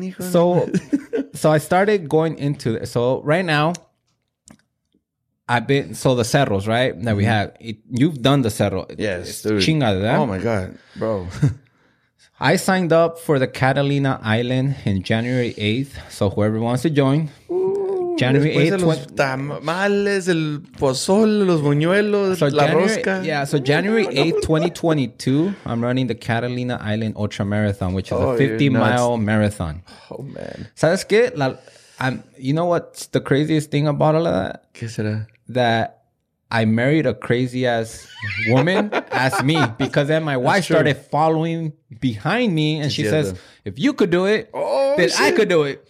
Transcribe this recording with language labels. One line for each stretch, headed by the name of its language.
English: So I started going into this. So right now, the cerros, right, that we have. You've done the cerro. Yes, dude.
Spanish: Chingada.
English: Oh, my God, bro. I signed up for the Catalina Island in January 8th. So whoever wants to join, January 8th.
Spanish: Después de los tamales, el pozole, los buñuelos, la rosca.
English: Yeah, so January 8th, 2022, I'm running the Catalina Island Ultra Marathon, which is a 50-mile marathon. Oh, man.
Spanish: ¿Sabes qué?
English: You know what's the craziest thing about all of that?
Spanish: ¿Qué será?
English: That I married a crazy ass woman as me, because then my wife started following behind me, and she says, if you could do it, then shit. I could do it.